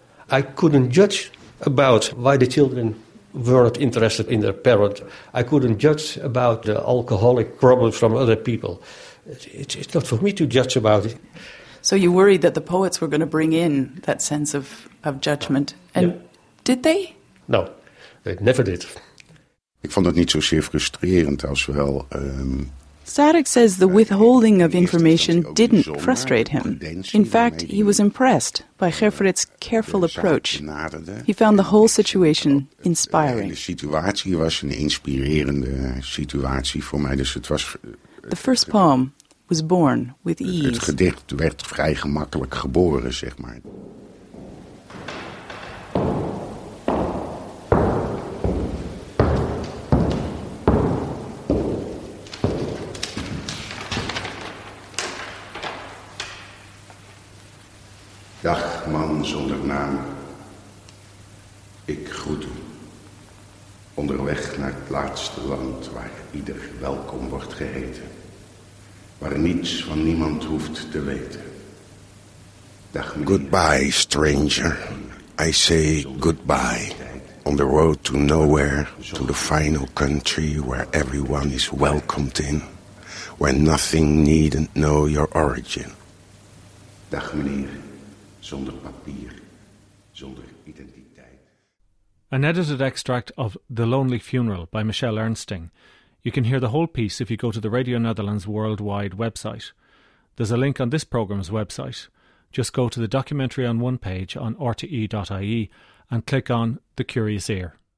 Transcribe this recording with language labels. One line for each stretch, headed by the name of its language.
English: I couldn't judge about why the children weren't interested in their parent. I couldn't judge about the alcoholic problems from other people. It's not for me to judge about it. So you worried that the poets were going to bring in that sense of judgment. And yeah. Did they? No, they never did.
Dutch: Ik vond het niet zozeer frustrerend als wel...
English: Sadek says the withholding of information didn't frustrate him. In fact, he was impressed by Gerfrit's careful approach. He found the whole situation inspiring.
Dutch: De situatie was een inspirerende situatie voor mij. Dus het was,
English: the first poem was born with ease.
Dutch: Het gedicht werd vrij gemakkelijk geboren, zeg maar. Dag, man zonder naam, ik groet u, onderweg naar het laatste land waar ieder welkom wordt geheten, waar niets van niemand hoeft te weten. Dag, meneer.
English: Goodbye, stranger, I say goodbye, on the road to nowhere, to the final country where everyone is welcomed in, where nothing needn't know your origin.
Dutch: Dag, meneer. Zonder papier, zonder identiteit.
English: An edited extract of The Lonely Funeral by Michelle Ernsting. You can hear the whole piece if you go to the Radio Netherlands Worldwide website. There's a link on this programme's website. Just go to the documentary on one page on rte.ie and click on The Curious Ear.